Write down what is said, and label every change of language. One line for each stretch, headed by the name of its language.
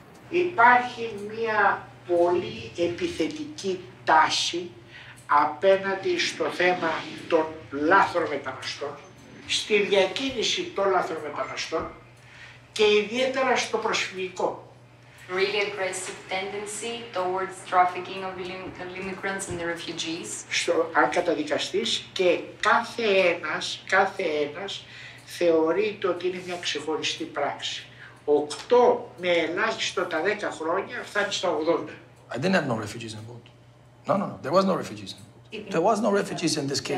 Greek: Υπάρχει μία πολύ επιθετική τάση απέναντι στο θέμα των λάθρομεταναστών, στη διακίνηση των λάθρομεταναστών και ιδιαίτερα στο προσφυγικό.
English: Really aggressive tendency towards trafficking of illegal immigrants and the refugees.
Greek: Στο αν καταδικαστείς και κάθε ένας θεωρείται ότι είναι μια ξεχωριστή πράξη. 8 με ελάχιστο τα 10 χρόνια φτάνει στα 80.
English: I didn't have no refugees involved. No. There was no refugees. There was no refugees in this case.